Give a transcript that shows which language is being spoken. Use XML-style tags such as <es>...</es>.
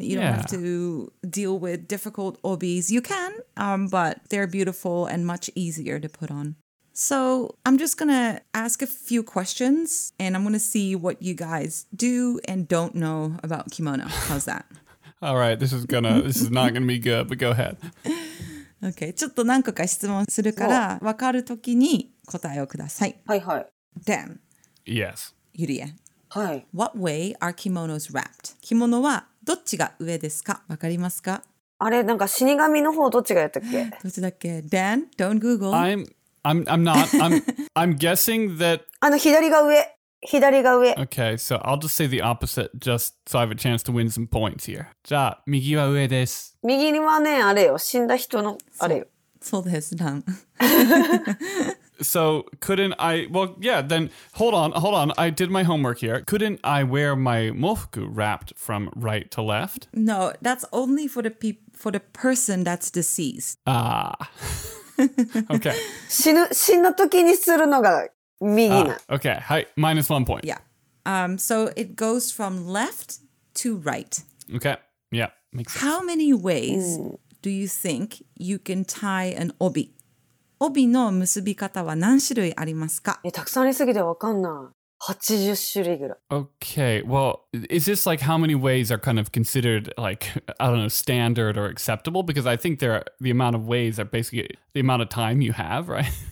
<en>You don't have to deal with difficult obis. You can, but they're beautiful and much easier to put on. So, I'm just gonna ask a few questions, and I'm gonna see what you guys do and don't know about kimono. How's that? All right, this is not gonna be good, but go ahead. Okay,</en> <ja>ちょっと何個か質問するから、分かるときに答えをください。はいはい。</ja> <en>Dan, Yes.</en> <ja>ゆりえ。はい。</ja> <en>What way are kimonos wrapped?</en> <ja>着物はどっちが上ですか？わかりますか？あれ、なんか死神の方どっちがやったっけ？どっちだっけ？</ja> <en>Dan, don't Google. I'm guessing that...</en> <ja>あの、左が上。左が上。</ja> <en>Okay, so I'll just say the opposite, just so I have a chance to win some points here.</en> <ja>じゃあ、右は上です。右にはね、あれよ。死んだ人のあれよ。そうです、ダン。</ja> <en>So, couldn't I... Well, yeah, then... Hold on. I did my homework here. Couldn't I wear my mofuku wrapped from right to left? No, that's only for the, for the person that's deceased. Ah. Okay.</en> <ja>死ぬ時にするのが右な。</ja> <en>Okay. はい。Minus one point. Yeah. So, it goes from left to right. Okay. Yeah. Makes sense. How many ways do you think you can tie an obi?</en> <ja>帯の結び方は何種類ありますか？たくさんありすぎてわかんない。 80種類ぐらい。</ja> <en>Okay, well, is this like how many ways are kind of considered like, I don't know, standard or acceptable? Because I think there are, the amount of ways are basically the amount of time you have, right?</en>